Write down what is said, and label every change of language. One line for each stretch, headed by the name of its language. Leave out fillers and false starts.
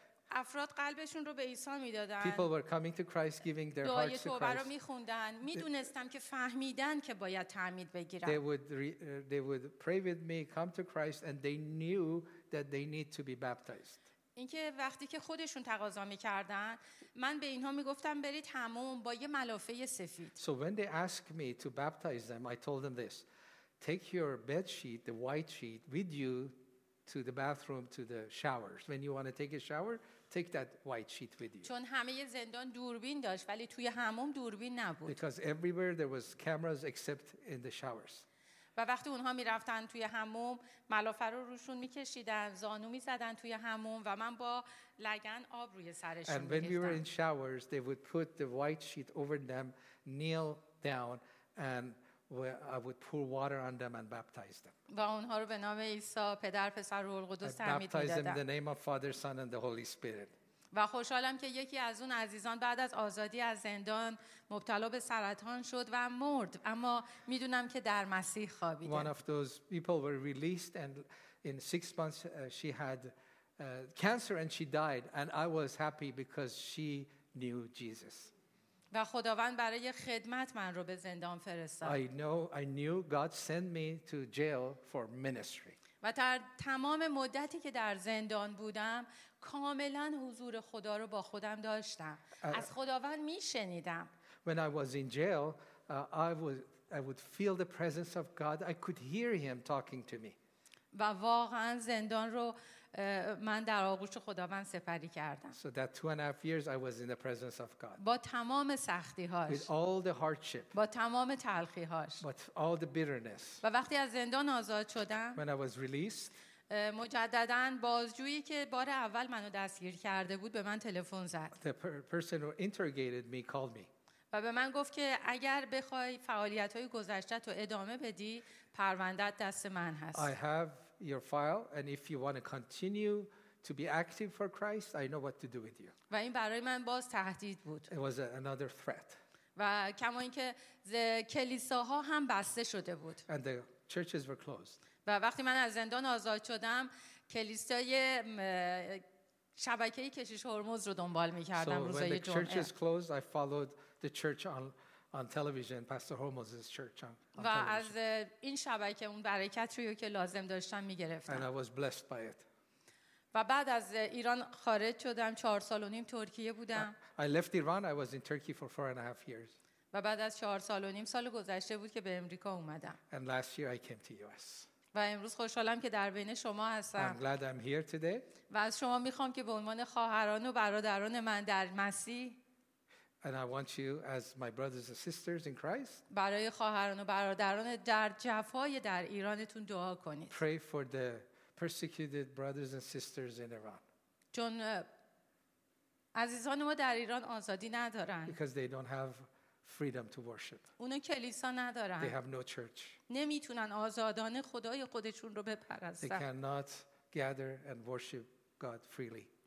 Persian: افراد قلبشون رو به عیسی میدادن.
English: People were coming to Christ giving their hearts to Christ.
Persian: دعای توبه رو میخوندن. میدونستم که فهمیدن که باید تعمید بگیرن.
English: They would pray with me, come to Christ, and they knew that they need to be baptized.
Persian: اینکه وقتی که خودشون تقاضا میکردن، من به اینها میگفتم برید حموم با یه ملافه سفید.
English: So when they asked me to baptize them, I told them this: take your bed sheet, the white sheet, with you to the bathroom, to the showers. When you want to take a shower, take that white sheet with you.
Persian: چون همه زندان دوربین داشت، ولی توی حموم دوربین نبود.
English: Because everywhere there was cameras except in the showers.
Persian: و وقتی اونها میرفتن توی حموم، ملافه رو روشون میکشیدن، زانو میزدن توی حموم و من با لگن آب روی سرشون میکشیدم.
English: And when we were in showers, they would put the white sheet over them, kneel down, and I would pour water on them and baptize them.
Persian: و اونها رو به نام عیسی، پدر، پسر، روح القدس تعمید میدادم.
English: I baptized them in the name of Father, Son, and the Holy Spirit.
Persian: و خوشحالم که یکی از اون عزیزان بعد از آزادی از زندان مبتلا به سرطان شد و مرد، اما میدونم که در مسیح خوابیده.
English: One of those people were released and in 6 months she had cancer and she died and I was happy because she knew Jesus.
Persian: و خداوند برای خدمت من رو به زندان فرستاد.
English: I knew God sent me to jail for ministry.
Persian: و در تمام مدتی که در زندان بودم کاملا حضور خدا رو با خودم داشتم، از خداوند میشنیدم.
English: When I was in jail, I would feel the presence of God. I could hear him talking to me.
Persian: و واقعا زندان رو من در آغوش خداوند سپری کردم.
English: So that 2.5 years I was in the presence of God.
Persian: با تمام سختی هاش.
English: With all the hardship.
Persian: با تمام تلخی هاش.
English: But all the bitterness.
Persian: و وقتی از زندان آزاد شدم.
English: When I was released.
Persian: مجدداً بازجویی که بار اول منو دستگیر کرده بود به من تلفن زد.
English: The person who interrogated me called me.
Persian: و به من گفت که اگر بخوای فعالیت‌های گذشته‌ت رو ادامه بدی، پرونده‌ت دست من هست.
English: I have your file and if you want to continue to be active for Christ, I know what to do with you.
Persian: و این برای من باز تهدید بود.
English: It was another threat.
Persian: و کما اینکه کلیساها هم بسته شده بود.
English: And the churches were closed.
Persian: و وقتی من از زندان آزاد شدم، کلیسای شبکه‌ی کشیش هرمز رو دنبال می‌کردم روزهای جمعه.
English: So when the churches closed, I followed the church on television, Pastor Hormuz's church on television.
Persian: و از این شبکه اون برکت رو که لازم داشتم می‌گرفتم.
English: And I was blessed by it.
Persian: و بعد از ایران خارج شدم، 4.5 سال ترکیه بودم.
English: I left Iran, I was in Turkey for 4.5 years.
Persian: و بعد از 4.5 سال سال گذشته بود که به امریکا اومدم.
English: And last year I came to US.
Persian: و امروز خوشحالم که در بین شما هستم.
English: I'm glad I'm here today.
Persian: و از شما میخوام که به عنوان خواهران و برادران من در مسیح.
English: And I want you as my brothers and sisters in Christ.
Persian: برای خواهران و برادران در جفای در ایرانتون دعا کنید.
English: Pray for the persecuted brothers and sisters in Iran.
Persian: چون عزیزان ما در ایران آزادی ندارن.
English: Because they don't have freedom to worship.
Persian: اونا کلیسا ندارن.
English: They have no church.
Persian: نمیتونن آزادانه خدای خودشون رو بپرستن.
English: They cannot gather and worship God freely.